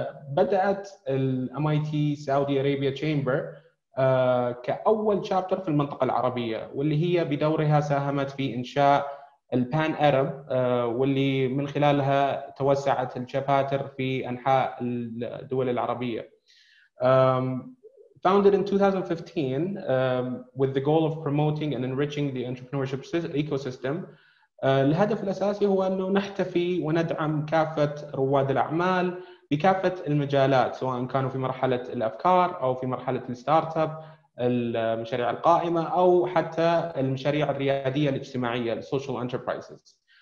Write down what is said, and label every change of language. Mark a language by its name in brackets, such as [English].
[Arabic] بدأت MIT Saudi Arabia Chamber كأول chapter في المنطقة العربية، واللي هي بدورها ساهمت في إنشاء البان أرب، واللي من خلالها توسعت الشباتر في أنحاء الدول العربية. [English] Founded in 2015 with the goal of promoting and enriching the entrepreneurship ecosystem. [Arabic] الهدف الأساسي هو أنه نحتفي وندعم كافة رواد الأعمال بكافة المجالات، سواء كانوا في مرحلة الأفكار أو في مرحلة الستارتاب، المشاريع القائمة أو حتى المشاريع الريادية الاجتماعية social enterprises.